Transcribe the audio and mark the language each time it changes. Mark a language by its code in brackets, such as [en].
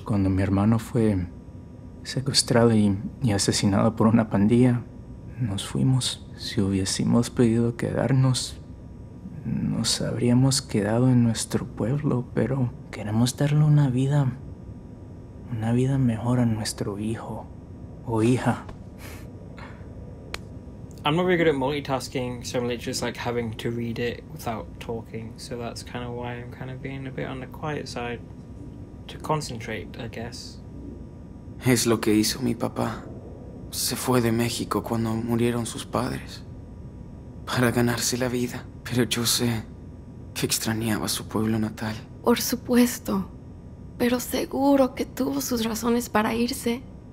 [es] Cuando mi hermano fue secuestrado y asesinado por una pandilla, nos fuimos. Si hubiésemos podido quedarnos, nos habríamos quedado en nuestro pueblo, pero queremos darle una vida mejor a nuestro hijo. Oh, hija. [en] I'm not very good at multitasking, so I'm literally just like having to read it without talking. So that's kind of why I'm kind of being a bit on the quiet side to concentrate, I guess. [es] Es lo que hizo mi papá. Se fue de México cuando murieron sus padres para ganarse la vida. Pero yo sé que extrañaba su pueblo natal. Por supuesto, pero seguro que tuvo sus razones para irse.